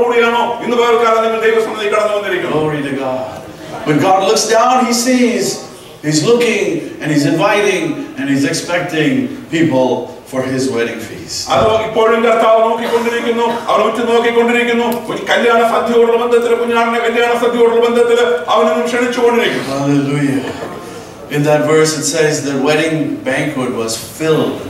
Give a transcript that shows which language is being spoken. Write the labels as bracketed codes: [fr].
[en] Glory to God. When God looks down, he sees, he's looking, and he's inviting, and he's expecting people for his wedding feast. [ml] അതോ ഇപ്പോഴും കർത്താവ് നോക്കിക്കൊണ്ടിരിക്കുന്നു, അവൻ ഉറ്റു നോക്കിക്കൊണ്ടിരിക്കുന്നു. കല്യാണ സദ്യയോടുള്ള ബന്ധത്തിൽ, കുഞ്ഞാടിന്റെ കല്യാണ സദ്യയോടുള്ള ബന്ധത്തിൽ അവനും ക്ഷണിച്ചുകൊണ്ടിരിക്കുന്നു. [en] Hallelujah. In that verse it says the wedding banquet was filled.